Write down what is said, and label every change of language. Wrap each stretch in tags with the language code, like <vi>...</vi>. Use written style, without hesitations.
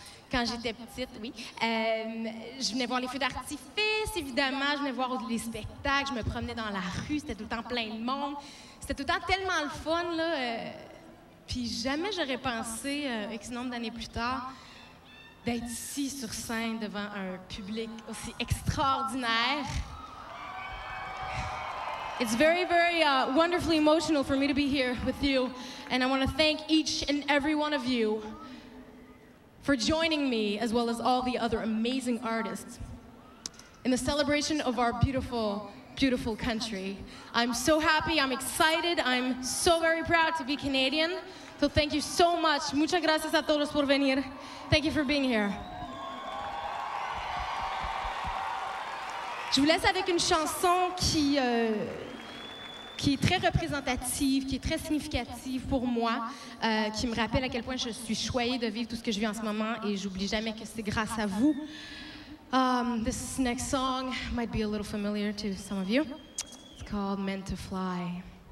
<fr>Quand j'étais petite, oui. Je venais voir les feux d'artifice, évidemment. Je venais voir les spectacles. Je me promenais dans la rue. C'était tout le temps plein de monde. C'était tout le temps tellement le fun, là. Puis jamais j'aurais pensé, X nombre d'années plus tard, d'être ici sur scène devant un public aussi extraordinaire.</fr> <en>It's very, very wonderfully emotional for me to be here with you. And I want to thank each and every one of you for joining me, as well as all the other amazing artists, in the celebration of our beautiful, beautiful country. I'm so happy, I'm excited, I'm so very proud to be Canadian. So thank you so much.</en> <es>Muchas gracias a todos por venir.</es> <en>Thank you for being here.</en> <fr>Je vous laisse avec une chanson qui est très représentative, qui est très significative pour moi, qui me rappelle à quel point je suis choyée de vivre tout ce que je vis en ce moment, et j'oublie jamais que c'est grâce à vous.</fr> <en>This next song might be a little familiar to some of you. It's called Meant to Fly.</en>